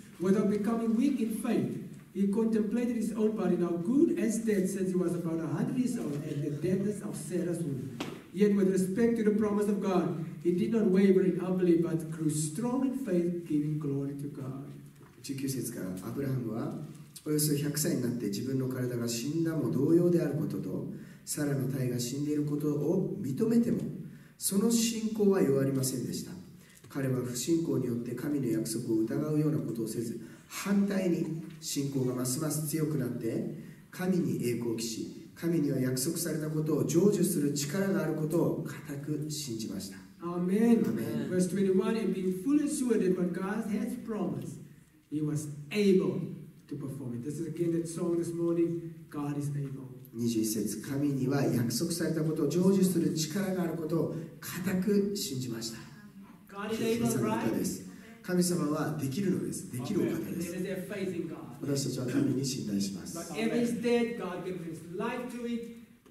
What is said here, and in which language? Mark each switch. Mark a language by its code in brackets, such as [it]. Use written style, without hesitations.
[en] Without becoming weak in faith, he contemplated his own body now good as dead since he was about 100 years old and the deadness of Sarah's womb. Yet with respect to the promise of God,He did not waver in unbelief, but grew strong in faith, giving glory to God. [ja] 19節から、アブラハムはおよそ100歳になって自分の体が死んだも同様であることと、サラの胎が死んでいることを認めても、その信仰は弱りませんでした。彼は不信仰によって神の約束を疑うようなことをせず、反対に信仰がますます強くなって、神に栄光を期し、神には約束されたことを成就する力があることを固く信じました。 [en] Amen. Verse 21, and being fully assured that what God has promised, he was able to perform it. This is again that song this morning, God is able. [ja] 21節、神には約束されたことを成就する力があることを固く信じました。 [en] God is able, right? [ja] 神様はできるのです。できるお方です。 [en] Amen. [ja] 私たちは神に信頼します。 [en] Amen. But if it's dead, God gives his life to it.